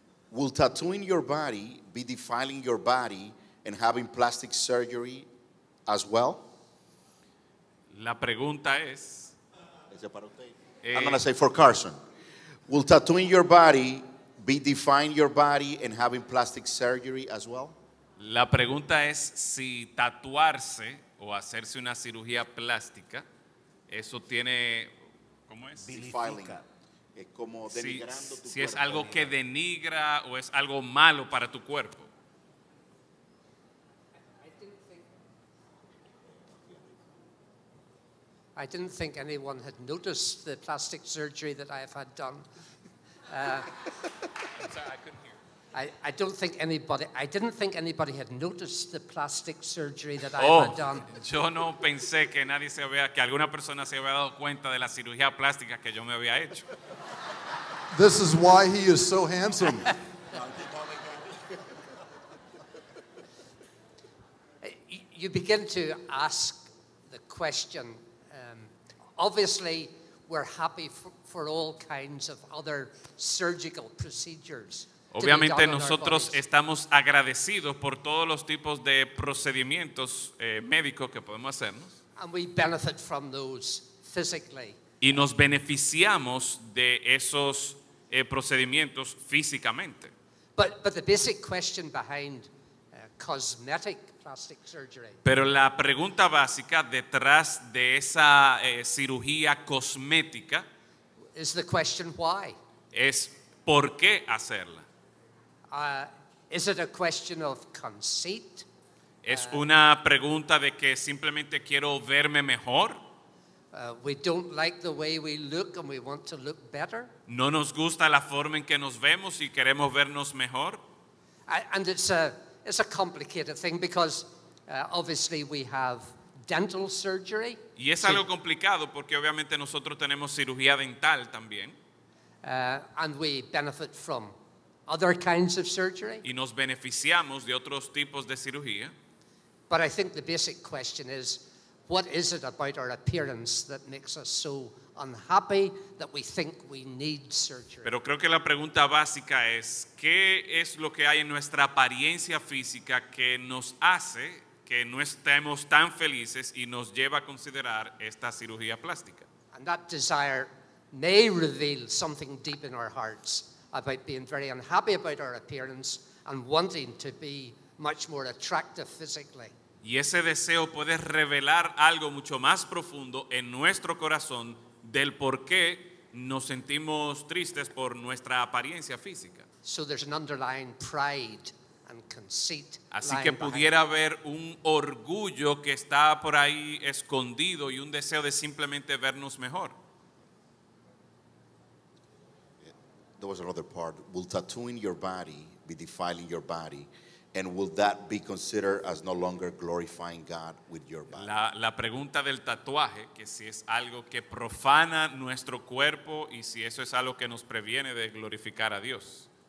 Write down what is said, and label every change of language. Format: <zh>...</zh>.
<en>Will tattooing your body be defiling your body and having plastic surgery as well?</en> <es>La pregunta es.</es> <en>I'm going to say for Carson. Will tattooing your body be defiling your body and having plastic surgery as well?</en> <es>La pregunta es si tatuarse o hacerse una cirugía plástica, eso tiene, ¿cómo es? Defiling. Es como denigrando si, tu si cuerpo. Si es algo que denigra o es algo malo para tu cuerpo.</es> <en>I didn't think anyone had noticed the plastic surgery that I have had done. I'm sorry, I couldn't hear. I didn't think anybody had noticed the plastic surgery that oh, I had done.</en> <es>Yo no pensé que nadie se había, que alguna persona se había dado cuenta de la cirugía plástica que yo me había hecho.</es> <en>This is why he is so handsome. You begin to ask the question. Obviously, we're happy for all kinds of other surgical procedures.</en> <es>Obviamente nosotros estamos agradecidos por todos los tipos de procedimientos médicos que podemos hacer, ¿no?</es> <en>And we benefit from those physically.</en> <es>Y nos beneficiamos de esos procedimientos físicamente.</es> <en>But the basic question behind cosmetic plastic surgery.</en> <es>Pero la pregunta básica detrás de esa cirugía cosmética</es> <en>is the question why.</en> <es>Es por qué hacerla.</es> <en>Is it a question of conceit?</en> <es>Es una pregunta de que simplemente quiero verme mejor.</es> <en>We don't like the way we look and we want to look better.</en> <es>No nos gusta la forma en que nos vemos y queremos vernos mejor.</es> <en>And it's a complicated thing because obviously we have dental surgery.</en> <es>Y es algo complicado porque obviamente nosotros tenemos cirugía dental también.</es> <en>And we benefit from other kinds of surgery.</en> <es>Y nos beneficiamos de otros tipos de cirugía.</es> <en>But I think the basic question is, what is it about our appearance that makes us so unhappy that we think we need surgery?</en> <es>Pero creo que la pregunta básica es, ¿qué es lo que hay en nuestra apariencia física que nos hace que no estemos tan felices y nos lleva a considerar esta cirugía plástica.</es> <en>And that desire may reveal something deep in our hearts about being very unhappy about our appearance and wanting to be much more attractive physically.</en> <es>Y ese deseo puede revelar algo mucho más profundo en nuestro corazón del por qué nos sentimos tristes por nuestra apariencia física.</es> <en>So there's an underlying pride and conceit.</en> <es>Así que pudiera haber un orgullo que está por ahí escondido y un deseo de simplemente vernos mejor.</es> <en>There was another part. Will tattooing your body be defiling your body? And will that be considered as no longer glorifying God with your body?</en> <es>La pregunta del tatuaje, que si es algo que profana nuestro cuerpo y si eso es algo que nos previene de glorificar a Dios.</es>